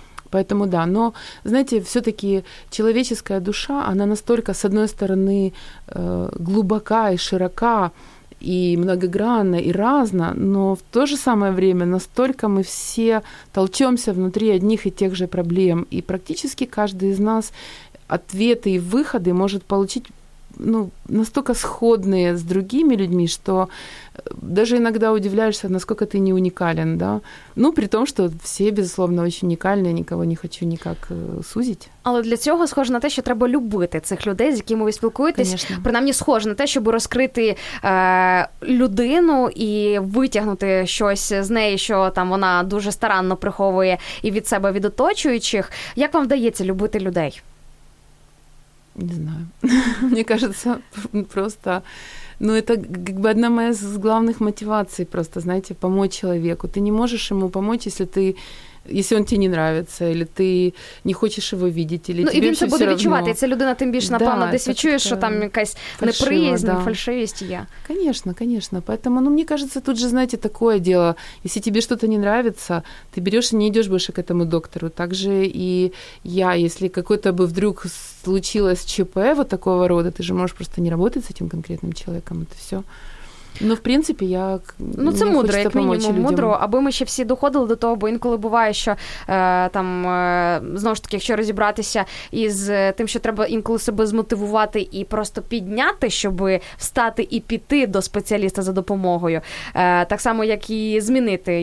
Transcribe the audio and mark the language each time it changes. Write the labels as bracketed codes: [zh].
[ru] Поэтому да, но, знаете, все-таки человеческая душа, она настолько, с одной стороны, глубока и широка, и многогранно, и разно, но в то же самое время настолько мы все толчемся внутри одних и тех же проблем, и практически каждый из нас ответы и выходы может получить, ну, настолько сходные с другими людьми, что даже иногда удивляешься, насколько ты не уникален, да? Ну, при том, что все, безусловно, очень уникальны, я никого не хочу никак сузить. [uk] Але для цього схоже на те, що треба любити цих людей, з якими ви спілкуєтесь. [ru] Конечно. [uk] Принаймні, схоже на те, щоб розкрити людину і витягнути щось з неї, що там вона дуже старанно приховує і від себе, від оточуючих. Як вам вдається любити людей? [ru] Не знаю. Мне кажется, просто... Ну, это как бы одна моя из главных мотиваций просто, знаете, помочь человеку. Ты не можешь ему помочь, если ты... Если он тебе не нравится, или ты не хочешь его видеть, или ну, тебе [uk] Ну, и він це буде відчувати. Людина, тим більше, напевно, десь відчує, що там якась неприязнь, [ru] да. [uk] Фальшивість є. [ru] Конечно, конечно. Поэтому, ну, мне кажется, тут же, знаете, такое дело. Если тебе что-то не нравится, ты берешь и не идешь больше к этому доктору. Так же и я, если какой-то бы вдруг... случилось ЧП вот такого рода, ты же можешь просто не работать с этим конкретным человеком, это все. [uk] Ну, в принципі, я... Ну, це мудро, як мінімум, людям. Мудро, аби ми ще всі доходили до того, бо інколи буває, що там, знову ж таки, якщо розібратися із тим, що треба інколи себе змотивувати і просто підняти, щоб встати і піти до спеціаліста за допомогою, так само, як і змінити.